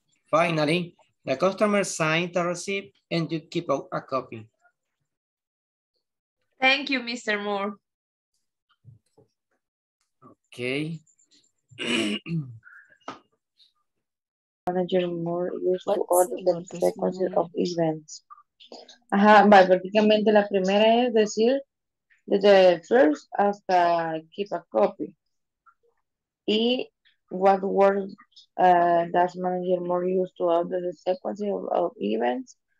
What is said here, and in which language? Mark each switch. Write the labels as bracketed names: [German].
[English] Finally, the customer signs the receipt and you keep a copy. Thank you, Mr. Moore. Okay. Manager Moore used to order the frequency of events. [Spanish] Ajá, vale, prácticamente la primera es decir, desde first hasta [English] keep a copy. Y what word does Manager Moore use to order the frequency of events?